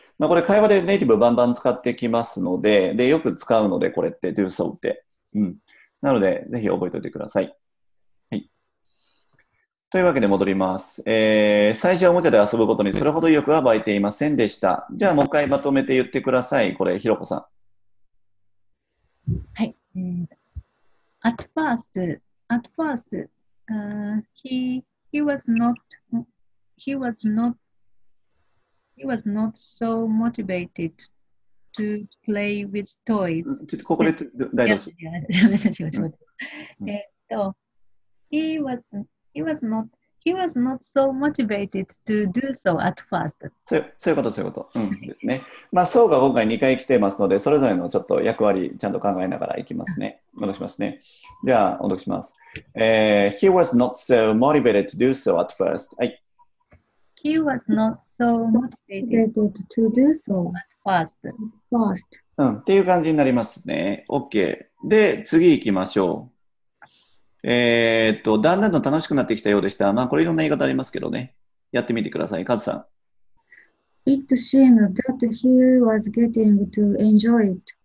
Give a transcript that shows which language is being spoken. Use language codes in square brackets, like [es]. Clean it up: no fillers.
[ja] まあ、これ会話でネイティブバンバン使ってきますので、で、よく使うので、これって do so って。うん。なので、ぜひ覚えておいてください。というわけで戻ります。最初はおもちゃで遊ぶことにそれほど意欲は湧いていませんでした。じゃあもう一回まとめて言ってください。これ、ひろこさん。はい。 [en] At first, he was not so motivated to play with toys. He was not so motivated to do so at first. [ja] そういうこと、うんですね。まあ、そうが今回2回来てますので、それぞれのちょっと役割、ちゃんと考えながらいきますね。戻しますね。じゃあ、お読みします。 He was not so motivated to do so at first. はい。 [en] He was not so motivated to do so at first. First. [ja] うん、っていう感じになりますね。 OK。 で、次行きましょう。だんだんと楽しくなってきたようでした。まあ、これいろんな言い方ありますけどね。やってみてください。カズさん。 [en] It seemed that he was getting to enjoy it.